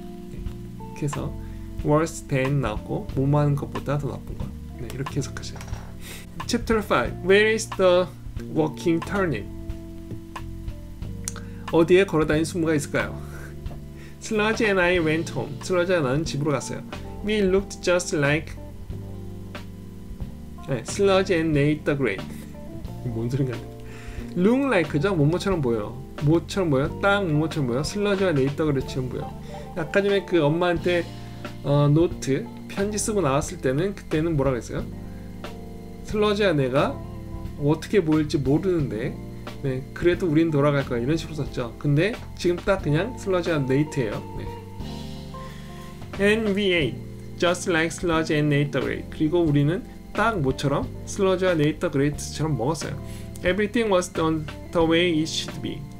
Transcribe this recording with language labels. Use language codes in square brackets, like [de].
[ko] 네. 그래서 [en] worse than [ko] 나왔고 뭐하는 것보다 더 나쁜 것. 네, 이렇게 해석하세요. Chapter 5. [en] Where is the walking turnip? [ko] 어디에 걸어다니는 순무가 있을까요? [en] Sludge and I went home. Sludge and [ko] 나는 집으로 갔어요. [en] We looked just like 네, Sludge and Nate the Great. [ko] 뭔 소린가? Look like죠? 뭐뭐처럼 보여. 뭐처럼 보여? 딱 뭐처럼 보여? 슬러지와 네이터 그레치처럼 보여. 아까 전에 그 엄마한테 노트 편지 쓰고 나왔을 때는 그때는 뭐라고 했어요? 슬러지와 내가 어떻게 보일지 모르는데 네, 그래도 우린 돌아갈 거야 이런 식으로 썼죠. 근데 지금 딱 그냥 슬러지와 네이트예요. 네. [en] And we ate just like Sludge and Nate the Great. [ko] 그리고 우리는 딱 뭐처럼 슬러지와 네이터 the Great처럼 먹었어요. [en] Everything was done the way it should be.